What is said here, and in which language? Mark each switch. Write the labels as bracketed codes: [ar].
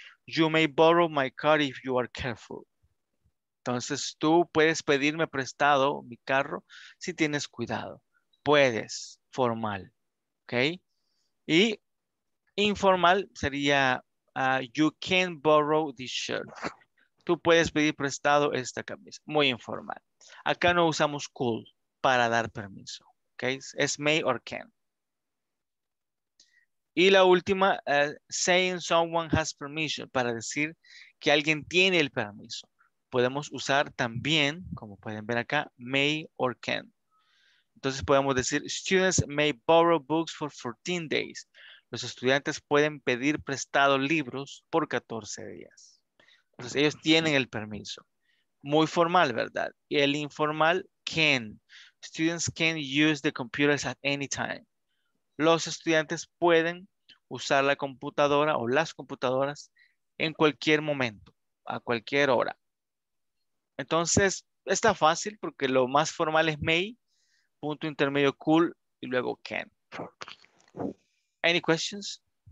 [en] You may borrow my car if you are careful. [es] Entonces tú puedes pedirme prestado mi carro si tienes cuidado. Puedes, formal. Ok. Y informal sería... [en] you can borrow this shirt. [es] Tú puedes pedir prestado esta camisa. Muy informal. Acá no usamos could para dar permiso. Okay? Es may or can. Y la última, [en] saying someone has permission, [es] para decir que alguien tiene el permiso. Podemos usar también, como pueden ver acá, may or can. Entonces podemos decir, [en] students may borrow books for 14 days. [es] Los estudiantes pueden pedir prestado libros por 14 días. Entonces ellos tienen el permiso. Muy formal, ¿verdad? Y el informal, can. [en] Students can use the computers at any time. [es] Los estudiantes pueden usar la computadora o las computadoras en cualquier momento, a cualquier hora. Entonces está fácil porque lo más formal es may. punto intermedio cool y luego can. [en] Any questions?